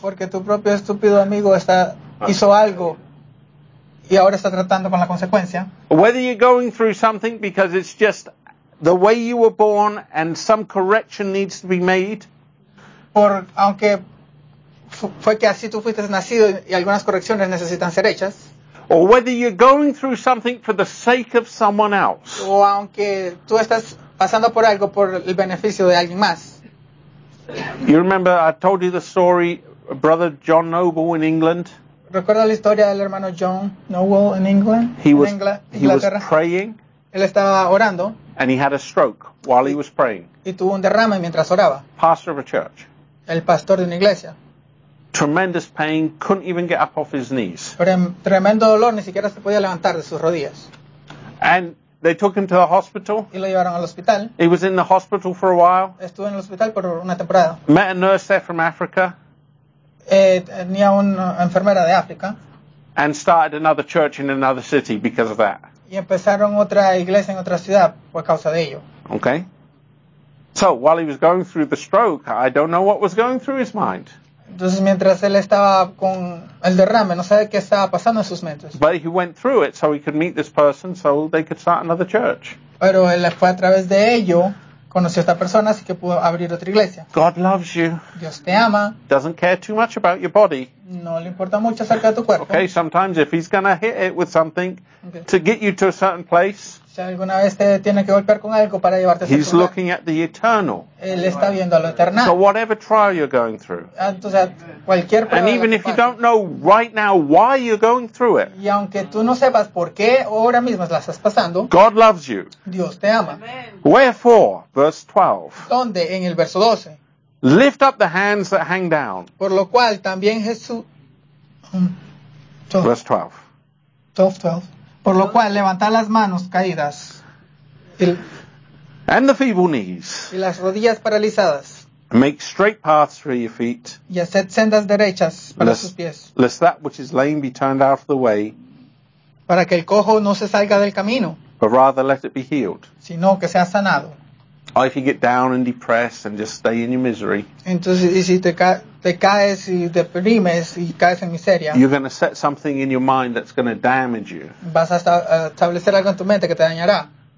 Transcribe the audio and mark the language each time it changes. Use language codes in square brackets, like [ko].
[es] Porque tu propio estúpido amigo está, hizo algo y ahora está tratando con la consecuencia. [en] Whether you're going through something because it's just the way you were born and some correction needs to be made. [es] Por aunque fue que así tú fuiste nacido y algunas correcciones necesitan ser hechas. [en] Or whether you're going through something for the sake of someone else. [es] O aunque tú estás pasando por algo por el beneficio de alguien más. [en] You remember I told you the story of Brother John Noble in England. [es] ¿Recuerda la historia del hermano John Noble [en] in England? He was praying. [es] Él estaba orando. [en] And he had a stroke while he was praying. [es] Y tuvo un derrame mientras oraba. [en] Pastor of a church. [es] El pastor de una iglesia. [en] Tremendous pain, couldn't even get up off his knees. [es] Tremendo dolor, ni siquiera se podía levantar de sus rodillas. [en] And they took him to the hospital. [es] Y lo llevaron al hospital. [en] He was in the hospital for a while. [es] Estuvo en el hospital por una temporada. [en] Met a nurse there from Africa. [es] Tenía una enfermera de África. [en] And started another church in another city because of that. [es] Y empezaron otra iglesia en otra ciudad por causa de ello. [en] Okay. So while he was going through the stroke, I don't know what was going through his mind. [es] Entonces mientras él estaba con el derrame, no sabe qué estaba pasando en sus mentes. [en] But he went through it so he could meet this person so they could start another church. [es] Pero él fue a través de ello, conoció a esta persona, así que pudo abrir otra iglesia. [en] God loves you. [es] Dios te ama. [en] Doesn't care too much about your body. [es] No le importa mucho acerca de tu cuerpo. [en] Okay, sometimes if he's gonna hit it with something to get you to a certain place. [es] Si alguna vez te tiene que golpear con algo para llevarte a ese lugar. [en] He's looking at the eternal. [es] Él está viendo a lo eterno. [en] So whatever trial you're going through. [es] Entonces, cualquier prueba. [en] And even if you don't know right now why you're going through it. [es] Y aunque tú no sepas por qué ahora mismo la estás pasando. [en] God loves you. [es] Dios te ama. [en] Wherefore, verse 12. [es] ¿Dónde? En el verso 12. [en] Lift up the hands that hang down. [es] Por lo cual también Jesús. [en] Verse 12. [es] Por lo cual, levantar las manos caídas [en] and the feeble knees [es] y las rodillas paralizadas. [en] Make straight paths for your feet [es] y haced sendas derechas para sus pies. [en] Lest that which is lame be turned out of the way [es] para que el cojo no se salga del camino [en] but rather let it be healed [es] sino que sea sanado. [en] Or if you get down and depressed and just stay in your misery [es] entonces, y si te caes y deprimes y caes en miseria. [en] You're going to set something in your mind that's going to damage you. [es] Vas a establecer algo en tu mente que te dañará.